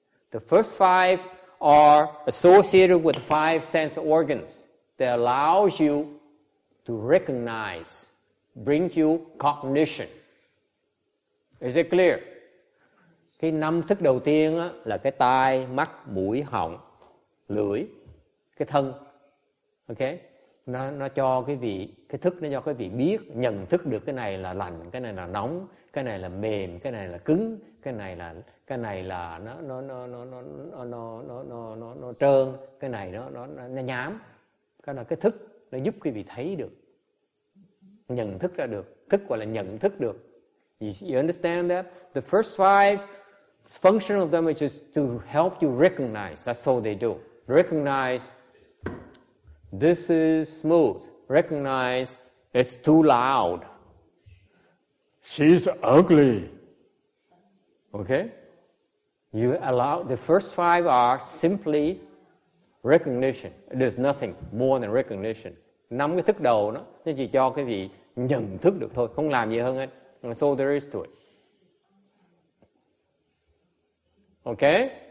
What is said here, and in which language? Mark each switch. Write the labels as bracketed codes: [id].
[en] The first 5 are associated with 5 sense organs that allows you to recognize, brings you cognition. Is it clear? [vi] Cái năm thức đầu tiên á, là cái tai, mắt, mũi, họng, lưỡi, cái thân. Ok? Nó cho cái vị, cái thức nó cho cái vị biết, nhận thức được cái này là lạnh, cái này là nóng, cái này là mềm, cái này là cứng, cái này là nó trơn, cái này nó nhám. Cái là cái thức nó giúp quý vị thấy được. nhận thức ra được, thức gọi là nhận thức được. [en] You understand that? The first five function of them is just to help you recognize. That's all they do. Recognize this is smooth. Recognize it's too loud. She's ugly. Okay? You allow, the first five are simply recognition. There's nothing more than recognition. [vi] Năm cái thức đầu đó, nó chỉ cho cái gì nhận thức được thôi, không làm gì hơn hết. [en] And so there is to it. Okay?